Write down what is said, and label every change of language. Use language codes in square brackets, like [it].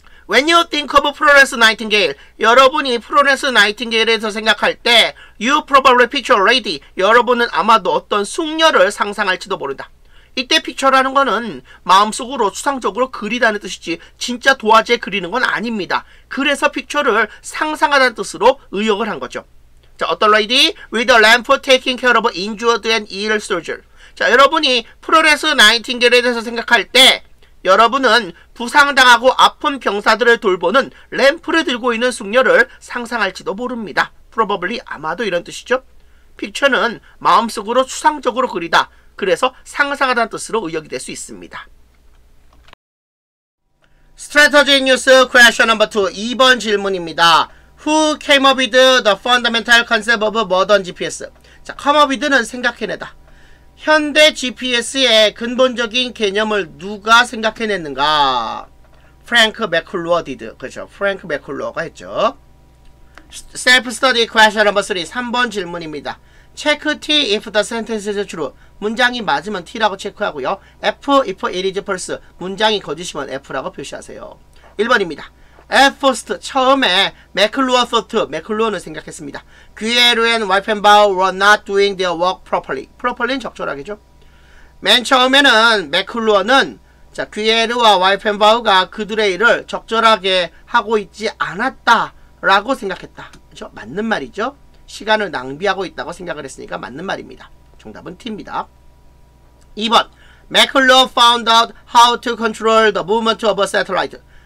[en] When you think of Florence Nightingale, [ko] 여러분이 Florence Nightingale에서 생각할 때 [en] You probably picture a lady, [ko] 여러분은 아마도 어떤 숙녀를 상상할지도 모른다. 이때 picture라는 거는 마음속으로 추상적으로 그리다는 뜻이지 진짜 도화지에 그리는 건 아닙니다. 그래서 picture를 상상하다는 뜻으로 의역을 한 거죠. 자, 어떤 lady? [en] With a lamp taking care of injured and ill soldier. [ko] 자, 여러분이 프로레스 나이팅게일에 대해서 생각할 때 여러분은 부상당하고 아픈 병사들을 돌보는 램프를 들고 있는 숙녀를 상상할지도 모릅니다. Probably 아마도 이런 뜻이죠. Picture는 마음속으로 추상적으로 그리다. 그래서 상상하다는 뜻으로 의역이 될 수 있습니다. [en] Strategy News Question No. 2 [ko] 2번 질문입니다. [en] Who came up with the fundamental concept of modern GPS? [ko] 자, come up with는 생각해내다. 현대 GPS의 근본적인 개념을 누가 생각해냈는가? [en] 프랭크 맥클루어 디드. [ko] 그렇죠. 프랭크 맥클루어가 했죠. [en] Self-study question number 3. [ko] 3번 질문입니다. [en] Check T if the sentence is true. [ko] 문장이 맞으면 T라고 체크하고요. [en] F if it is false. [ko] 문장이 거짓이면 F라고 표시하세요. 1번입니다. At first, 처음에 맥클루어 thought, 맥클루어는 생각했습니다. [en] Guerre and Wiefenbauer were not doing their work properly. [ko] Properly는 적절하겠죠? 맨 처음에는 맥클루어는 자 귀에르와 와이펜바우가 그들의 일을 적절하게 하고 있지 않았다라고 생각했다. 그렇죠? 맞는 말이죠. 시간을 낭비하고 있다고 생각을 했으니까 맞는 말입니다. 정답은 T입니다. 2번 맥클루어 [en] found out how to control the movement of a satellite.